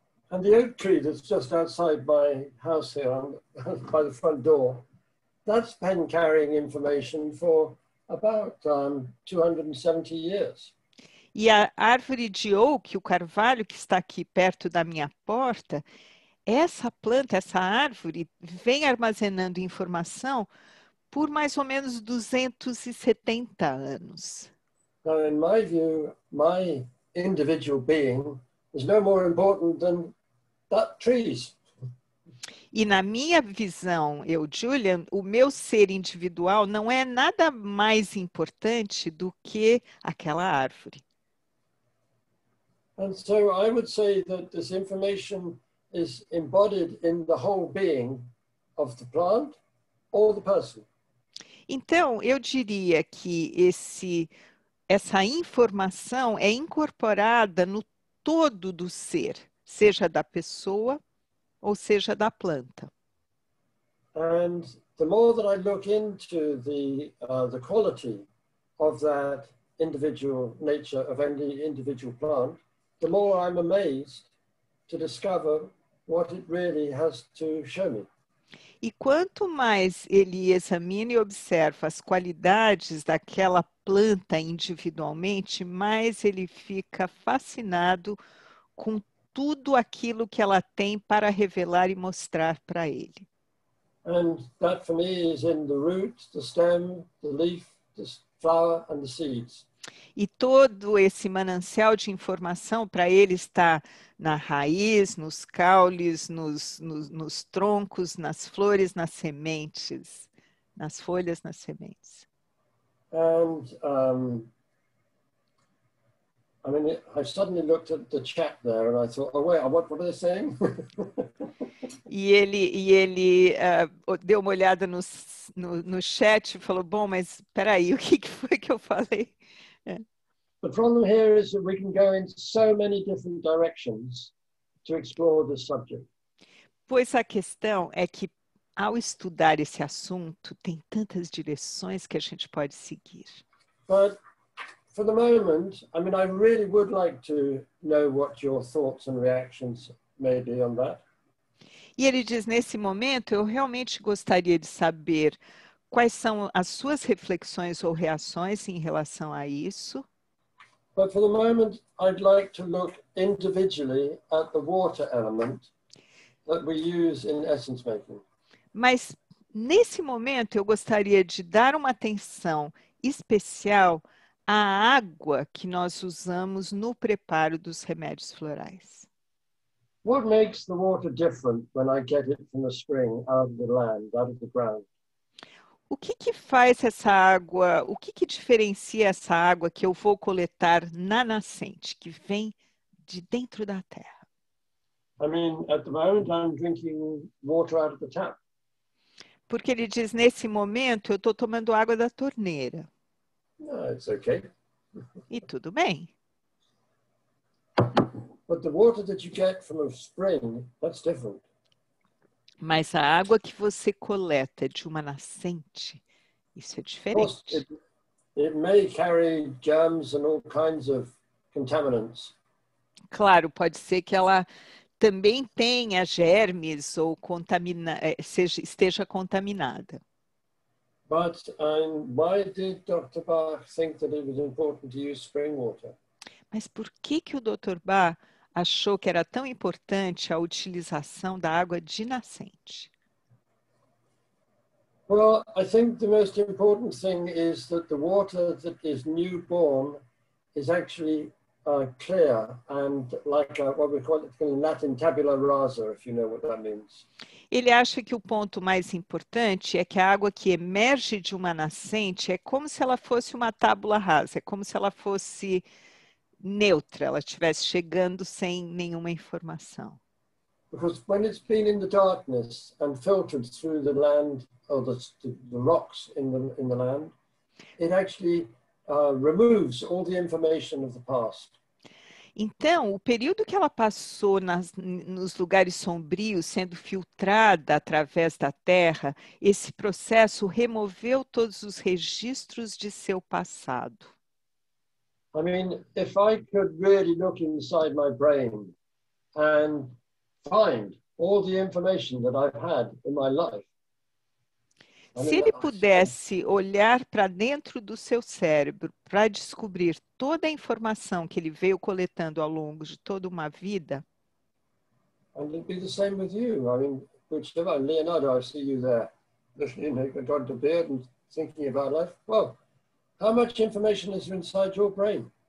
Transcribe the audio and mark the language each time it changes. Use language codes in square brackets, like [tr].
[en] And the oak tree that's just outside my house here, by the front door, that's been carrying information for about 270 years. [pt] E a árvore de oak, o carvalho que está aqui perto da minha porta, essa planta, essa árvore, vem armazenando informação por mais ou menos 270 anos. [en] Now, in my view, my individual being is no more important than that tree's. [pt] E na minha visão, eu, Julian, o meu ser individual não é nada mais importante do que aquela árvore. [en] And so I would say that this information is embodied in the whole being of the plant or the person. [pt] Então, eu diria que essa informação é incorporada no todo do ser, seja da pessoa ou seja da planta. [en] And the more that I look into the quality of that individual nature of any individual plant, the more I'm amazed to discover what it really has to show me. [pt] E quanto mais ele examina e observa as qualidades daquela planta individualmente, mais ele fica fascinado com tudo aquilo que ela tem para revelar e mostrar para ele. [en] And that for me is in the root, the stem, the leaf, the flower and the seeds. [pt] E todo esse manancial de informação para ele está na raiz, nos caules, nos troncos, nas flores, nas sementes, nas folhas, nas sementes. [en] And I mean, I suddenly looked at the chat there and I thought, oh wait, what are they saying? [pt] E ele deu uma olhada no chat e falou, bom, mas peraí, o que foi que eu falei? [en] The problem here is that we can go in so many different directions to explore this subject. [pt] Pois a questão é que ao estudar esse assunto, tem tantas direções que a gente pode seguir. [en] But for the moment, I mean, I really would like to know what your thoughts and reactions may be on that. [pt] E ele diz, nesse momento, eu realmente gostaria de saber quais são as suas reflexões ou reações em relação a isso. [en] But for the moment, I'd like to look individually at the water element that we use in essence making. [pt] Mas nesse momento, eu gostaria de dar uma atenção especial à água que nós usamos no preparo dos remédios florais. [en] What makes the water different when I get it from the spring out of the land, out of the ground? [pt] O que que faz essa água, o que que diferencia essa água que eu vou coletar na nascente, que vem de dentro da terra? [en] I mean, at the moment I'm drinking water out of the tap. [pt] Porque ele diz, nesse momento eu estou tomando água da torneira. [en] No, it's okay. [pt] E tudo bem. [en] But the water that you get from a spring, that's different. [pt] Mas a água que você coleta de uma nascente, isso é diferente. [en] It may carry germs and all kinds of contaminants. [pt] Claro, pode ser que ela também tenha germes ou esteja contaminada. [en] But why did Dr. Bach think that it was important to use spring water? [pt] Mas por que que o Dr. Bach achou que era tão importante a utilização da água de nascente? [en] Well, I think the most important thing is that the water that is newborn is actually clear and like what we call it in Latin tabula rasa, if you know what that means. [pt] Ele acha que o ponto mais importante é que a água que emerge de uma nascente é como se ela fosse uma tábula rasa, é como se ela fosse neutra, ela estivesse chegando sem nenhuma informação. [en] Because when it's been in the darkness and filtered through the land or the rocks in the land, it actually removes all the information of the past. [pt] Então, o período que ela passou nos lugares sombrios, sendo filtrada através da terra, esse processo removeu todos os registros de seu passado. [en] I mean, if I could really look inside my brain and find all the information that I've had in my life. [pt] Se ele pudesse olhar para dentro do seu cérebro para descobrir toda a informação que ele veio coletando ao longo de toda uma vida. [en] And it'd be the same with you. I mean, whichever, Leonardo, I see you there, listening, you know, got the beard and thinking about life. Well, how much information is inside your brain?